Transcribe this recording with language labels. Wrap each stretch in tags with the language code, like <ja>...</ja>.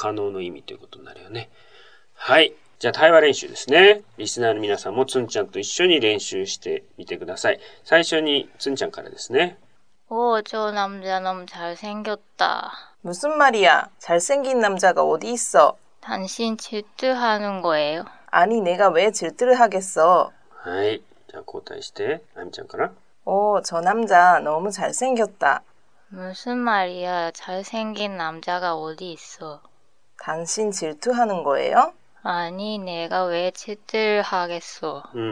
<ja>否定の返事で単にいいえとかいやとかっていう意味でも使われるし、驚きを表す場合がありますね。今回の場合は驚きですね。え、なんだってっていう言葉ですね。はい。なぜ、どうしてですね。おっちぇそっていう言い方もあるよね。ももげ、もも。これは何度も出てる。推量、意思、控えめな気持ち、可能、強調を表すということで、この場合は不可能だってことを言ってるので、まあ可能の意味ということになるよね。はい。じゃあ対話練習ですね。リスナーの皆さんもつんちゃんと一緒に練習してみてください。最初につんちゃんからですね。おー、</ja> <ko>저 남자 너무 잘생겼다. 무슨 말이야? 잘생긴 남자가 어디 있어? 당신 질투하는 거예요? 아니, 내가 왜 질투를 하겠어?</ko> <ja>하이, 자 交代して 아미짱から.</ja> <ko>오, 저 남자 너무 잘생겼다. 무슨 말이야? 잘생긴 남자가 어디 있어? 당신 질투하는 거예요? 아니, 내가 왜 질투를 하겠어?</ko>